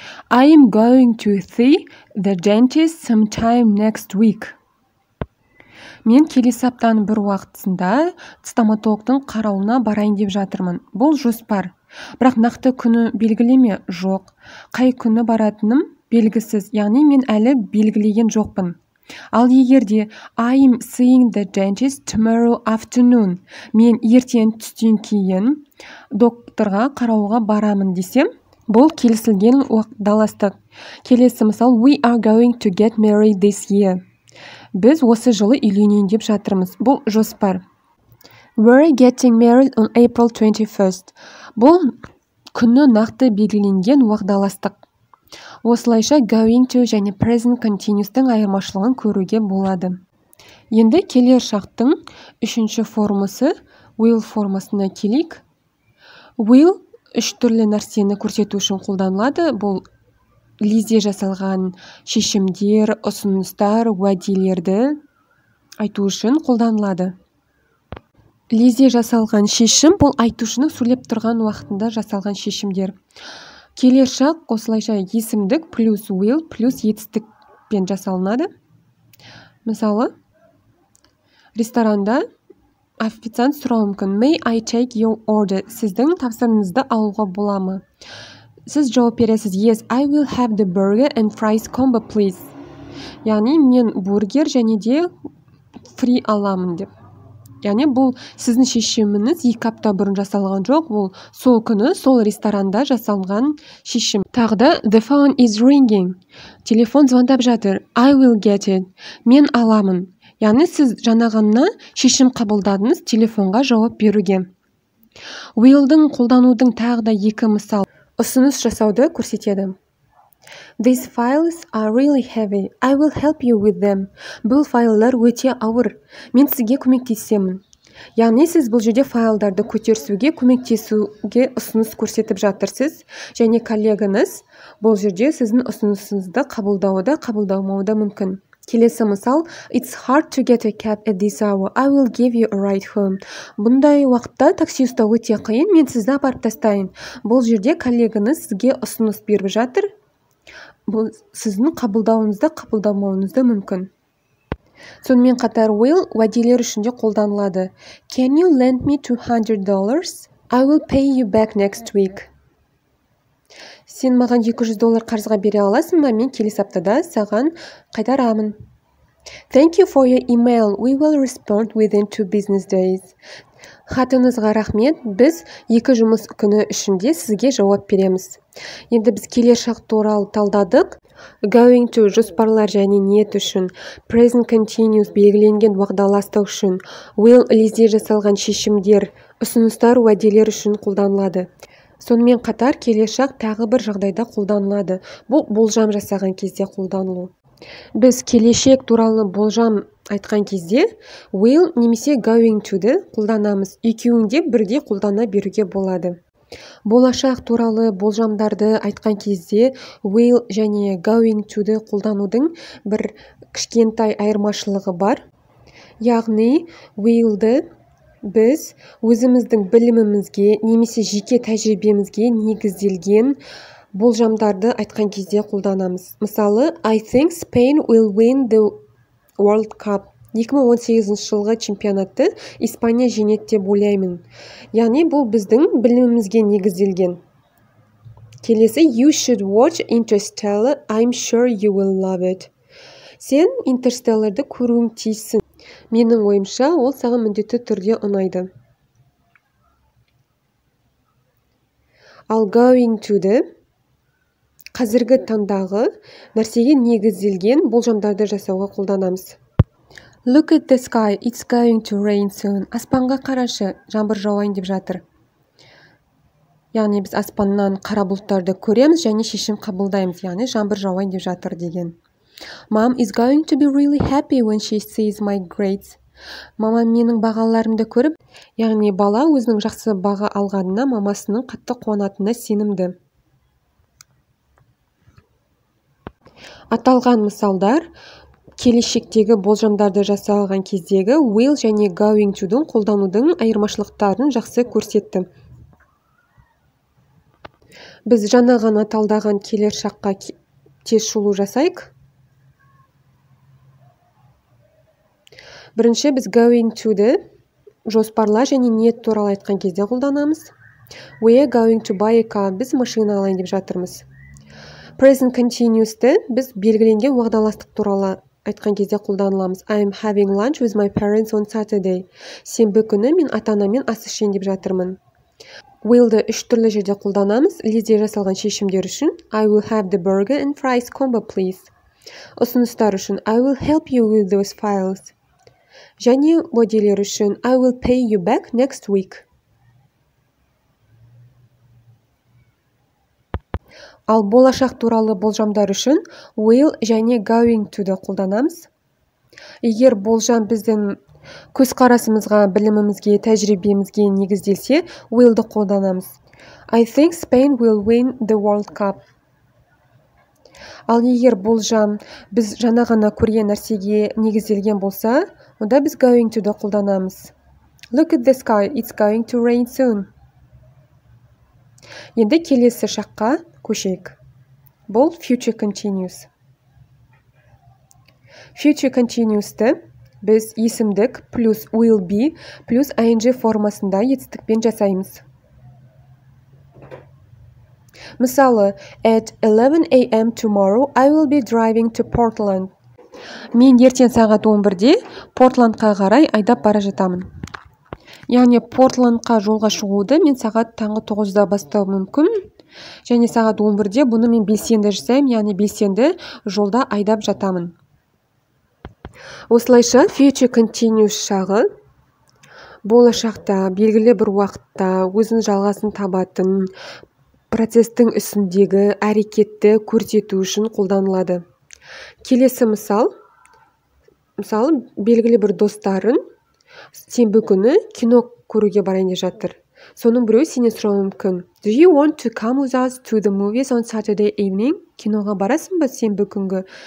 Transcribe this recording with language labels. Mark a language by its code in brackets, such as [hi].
[en] I am going to see the dentist sometime next week. [kk] Мен келесі аптаның бір уақытысында стоматологтың қарауына барайын деп жатырмын. Бұл жоспар. Бірақ нақты күні белгілеме жоқ. Қай күні баратыным белгісіз. Яғни мен әлі белгілеген жоқпын. Ал егерде [en] I am seeing the dentist tomorrow afternoon. [kk] Мен ертең түстен кейін докторға қарауға барамын десем, бұл келісілген уағдаластық. Келесі мысал, [en] we are going to get married this year. [kk] Біз осы жылы үйленейін деп жатырмыз. Бұл жоспар. [en] We're getting married on April 21st. [kk] Бұл күні нақты белгіленген уағдаластық. Осылайша going to және present continuous-тың айырмашылығын көруге болады. Енді келер шақтың үшінші формасы will формасына келейік. Will үш түрлі нәрсені көрсету үшін қолданылады. Бұл лезде жасалған шешімдер, ұсыныстар, уәделерді айту үшін қолданылады. Лезде жасалған шешім бұл айтушының сөйлеп тұрған уақытында жасалған шешімдер. Келер шақ осылайша есімдік плюс will плюс етістікпен жасалынады. Мысалы, ресторанда официант сұрауы мүмкін. [en] May I take your order? [kk] Сіздің тапсырыңызды алуға бола ма? Сіз жауап бересіз. [en] Yes, I will have the burger and fries combo, please. [kk] Яғни, мен бургер және де фри аламын деп. Яғни, бұл сіздің шешіміңіз екі апта бұрын жасалған жоқ. Бұл сол күні, сол ресторанда жасалған шешім. Тағы да, [en] the phone is ringing. [kk] Телефон звондап жатыр. [en] I will get it. [kk] Мен аламын. Яғни сіз жаңағанына шешім қабылдадыңыз телефонға жауап беруге. Will-дың қолданудың тағы да екі мысал ұсыныс жасауды көрсетеді. [en] These files are really heavy. I will help you with them. [kk] Бұл файлдар өте ауыр. Мен сізге көмектесемін. Яғни сіз бұл жерде файлдарды көтерісуге, көмектесуге ұсыныс көрсетіп жатырсыз. Және коллегаңыз бұл жерде сіздің ұсынысыңызды қабылдауы да мүмкін. [en] Келесі мысал, it's hard to get a cab at this hour. I will give you a ride home. [kk] Бұндай уақытта такси ұстау өте қиын, мен сізді апарып тастайын. Бұл жерде коллегаңыз сізге ұсыныс беріп жатыр. Бұл сіздің қабылдауыңызды, қабылдамауыңызды мүмкін. Сонымен қатар, will уәделер үшінде қолданылады. [en] Can you lend me $200? I will pay you back next week. [kk] Сен маған $200 қарызға бере аласың ба? Мен келесі аптада саған қайтарамын. [en] Thank you for your email. We will respond within 2 business days. [kk] Хатыңызға рахмет, біз екі жұмыс күні ішінде сізге жауап береміз. Енді біз келешақ туралы талдадық. Going to жоспарлар және ниет үшін, present continuous белгіленген уағдаластық үшін, will лезде жасалған шешімдер, ұсыныстар уәделер үшін қолданылады. Сонымен қатар келешақ тағы бір жағдайда қолданылады. Бұл болжам жасаған кезде қолданылу. Біз келешек туралы болжам айтқан кезде will немесе going to-ді қолданамыз. Екеуінде бірге қолдана беруге болады. Болашақ туралы болжамдарды айтқан кезде will және going to-ді қолданудың бір кішкентай айырмашылығы бар. Яғни will-ді біз өзіміздің білімімізге немесе жеке тәжірибемізге негізделген болжамдарды айтқан кезде қолданамыз. Мысалы, [en] I think Spain will win the World Cup. [kk] 2018 жылғы чемпионатты Испания жеңеді деп ойлаймын. Яғни, бұл біздің білімімізге негізделген. Келесі, [en] you should watch Interstellar. I'm sure you will love it. [kk] Сен Interstellar-ды көруің тиісін. Менің ойымша, ол саған міндетті түрде ұнайды. [en] I'll going to the [kk] қазіргі таңдағы нәрсеге негізделген болжамдарды жасауға қолданамыз. [en] Look at the sky, it's going to rain soon. [kk] Аспанға қарашы, жаңбыр жауайын деп жатыр. Яғни біз аспаннан қара бұлттарды көреміз және шешім қабылдаймыз, яғни жаңбыр жауайын деп жатыр деген. [en] Mom is going to be really happy when she sees my grades. [kk] Мама менің бағаларымды көріп, яғни бала өзінің жақсы баға алғанына мамасының қатты қуанатынына сенімді. Аталған мысалдар келешектегі болжамдарды жасалған кездегі will және going to-дің қолданудың айырмашылықтарын жақсы көрсетті. Біз жаңа ғана талдаған келешаққа тез шолу жасайық. Бірінші біз going to-ді жоспарла және ниет туралы айтқан кезде қолданамыз. [en] We are going to buy a car. [kk] Біз машина алайын деп жатырмыз. Present continuous-ті біз белгіленген уағдаластық туралы айтқан кезде қолданыламыз. [en] I'm having lunch with my parents on Saturday. [kk] Сенбі күні мен ата-анаммен ас ішейін деп жатырмын. Will-ді үш түрлі жерде қолданамыз. Лезде жасалған шешімдер үшін [en] I will have the burger and fries combo, please. [kk] Ұсыныстар үшін [en] I will help you with those files. [kk] Және уәделер үшін [en] I will pay you back next week. [kk] Ал болашақ туралы болжамдар үшін will және going to-ді қолданамыз. Егер болжам біздің көзқарасымызға, білімімізге, тәжірибемізге негізделсе, will-ді қолданамыз. [en] I think Spain will win the World Cup. [kk] Ал егер болжам біз жаңа ғана көрген нәрсеге негізделген болса, онда біз going to-ді қолданамыз. [en] Look at the sky, it's going to rain soon. [kk] Енді келесі шаққа көшейік. Бұл future continuous. Future continuous-ті біз есімдік плюс will be плюс ing формасында етістікпен жасаймыз. Мысалы, [en] at 11 a.m. tomorrow I will be driving to Portland. [kk] Мен ертең сағат 11-де Портландқа қарай айдап бара жатамын. Яғни Портландқа жолға шығуды мен сағат таңғы 9-да бастау мүмкін. Және сағат 11-де бұны мен белсенді жасаймын, яғни белсенді жолда айдап жатамын. Осылайша future continuous шағы болашақта белгілі бір уақытта өзінің жалғасын табатын процестің үстіндегі әрекетті көрсету үшін қолданылады. Келесі мысал. Мысалы, белгілі бір достарын сенбі күні кино көруге барайын деп жатыр. Соның біреуі сені сұрауы мүмкін. [en] Do you want to come with us to the movies on Saturday evening? [kk] Киноға барасың ба сенбі күнгі?